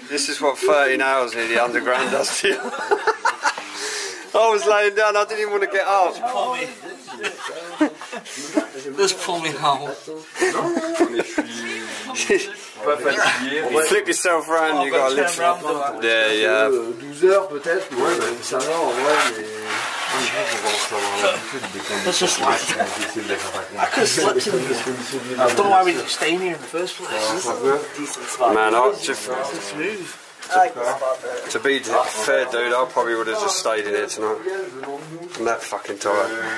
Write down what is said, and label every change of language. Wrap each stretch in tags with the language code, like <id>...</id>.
<en>This is what 13 hours in the underground does to you. I was laying down, I didn't even want to get up. Just pull me home. You flip yourself around, you got a lift. Yeah, yeah.</en> <fr>12 heures peut-être, ouais, mais ça va en vrai, mais.</fr> <en>Let's just laugh. I could have slept in here. I don't know why we're staying here in the first place. Man, I'll just. To be fair, dude, I probably would have just stayed in here tonight. I'm that fucking tired.</en>